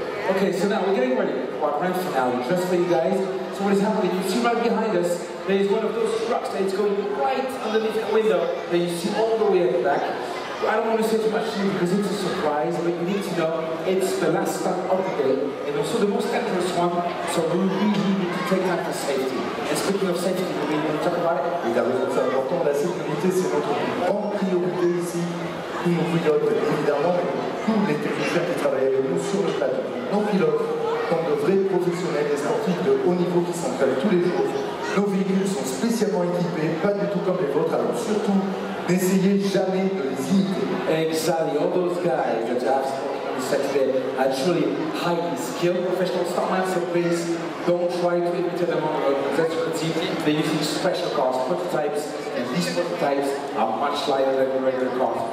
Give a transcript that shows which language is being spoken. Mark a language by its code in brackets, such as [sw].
[en] Okay, so now we're getting ready for our grand finale, just for you guys. So what is happening, you see right behind us, there is one of those trucks that is going right underneath that window that you see all the way at the back. I don't want to say too much to you because it's a surprise, but you need to know it's the last stop of the day and also the most dangerous one, so we really need to take time for safety. And speaking of safety, we need to talk about it. [fr] Et là, c'est important, la sécurité, c'est notre grande priorité ici. Nous vous voyons évidemment tous les techniciens qui travaillent avec nous sur le plateau, nos pilotes, comme de vrais professionnels et sportifs de haut niveau qui s'entraînent tous les jours. Nos véhicules sont spécialement équipés, pas du tout comme les vôtres, alors surtout n'essayez jamais de les imiter. [en] Exactly, all those guys that have spoken to me are truly highly skilled professional stuntmen, so please don't try to imitate them on the road, because that's what it's easy. They're using special cars, prototypes. And these prototypes are much lighter than the regular cars.